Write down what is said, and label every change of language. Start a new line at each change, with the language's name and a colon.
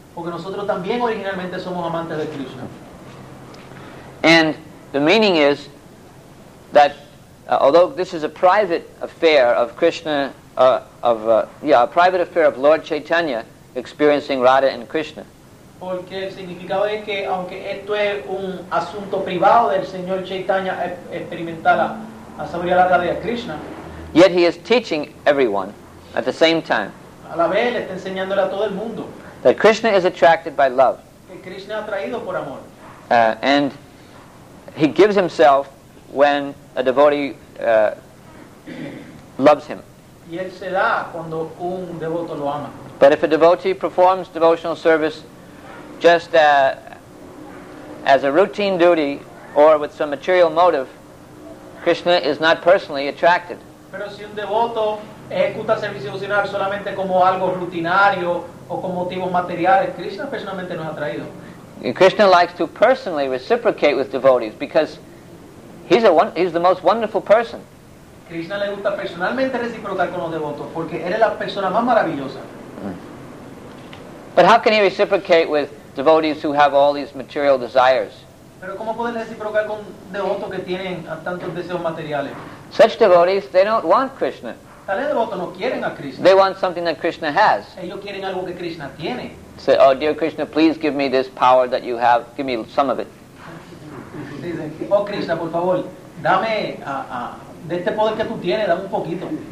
Spanish: Porque nosotros también originalmente somos amantes de Krishna.
English: And the meaning is that although this is a private affair of Krishna, a private affair of Lord Chaitanya experiencing Radha and Krishna.
Spanish: Porque el significado es que aunque esto es un asunto privado del señor Chaitanya experimentar la sabiduría lata de Krishna.
English: Yet he is teaching everyone at the same time.
Spanish: A la vez está enseñándole a todo el mundo.
English: That Krishna is attracted by love.
Spanish: Que Krishna es atraído por amor.
English: And he gives himself when a devotee loves him.
Spanish: Y él se da cuando un devoto lo ama.
English: But if a devotee performs devotional service just as a routine duty or with some material motive, Krishna is not personally attracted.
Spanish: Pero si un devoto ejecuta servicio devocional solamente como algo rutinario o con motivos materiales, Krishna personalmente no es atraído.
English: And Krishna likes to personally reciprocate with devotees because he's the most wonderful person.
Spanish: Krishna le gusta personalmente reciprocar con los devotos porque él es la persona más maravillosa.
English: But how can he reciprocate with devotees who have all these material desires?
Spanish: Pero ¿cómo pueden reciprocar con devotos que tienen tantos deseos materiales?
English: Such devotees, they don't want Krishna.
Spanish: Tales devotos no quieren a Krishna.
English: They want something that Krishna has.
Spanish: Ellos quieren algo que Krishna tiene.
English: Say, oh dear Krishna, please give me this power that you have. Give me some of it.
Spanish: Oh Krishna, por favor, dame de este poder que tú tienes, dame un poquito.